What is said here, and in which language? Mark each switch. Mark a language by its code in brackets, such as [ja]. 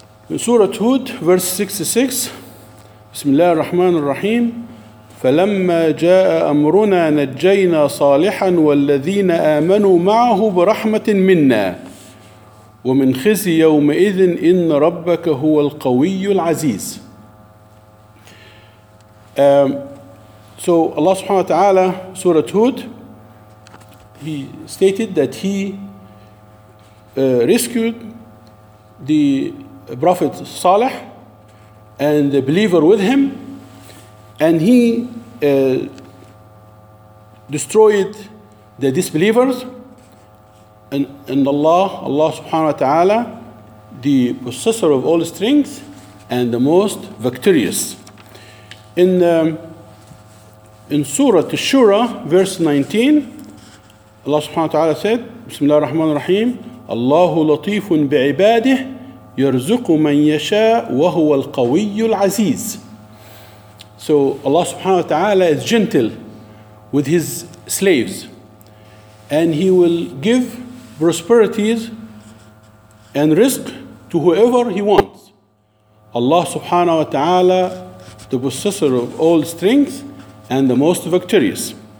[en] In Surah Hud, verse 66, [ar] Bismillah ar-Rahman ar-Rahim, فَلَمَّا جَاءَ أَمْرُنَا نَجَّيْنَا صَالِحًا وَالَّذِينَ آمَنُوا مَعَهُ بِرَحْمَةٍ مِنَّا وَمِنْ خِزْيِ يَوْمَئِذٍ إِنَّ رَبَّكَ هُوَ الْقَوِيُّ الْعَزِيزِ. [en] So Allah subhanahu wa ta'ala, Surah Hud, he stated that he rescued the Prophet Salih and the believer with him, and he destroyed the disbelievers. And Allah subhanahu wa ta'ala, the possessor of all strength and the most victorious. In Surah Ash-Shura, verse 19, [ar] Allah subhanahu wa ta'ala [en] said, [ar] Bismillah ar-Rahman ar-Rahim, Allahu latifun bi'ibadih يرزق من يشاء وهو القوي العزيز. [en] So Allah subhanahu wa ta'ala is gentle with his slaves, and he will give prosperities and rizq to whoever he wants. Allah subhanahu wa ta'ala, the possessor of all strength and the most victorious.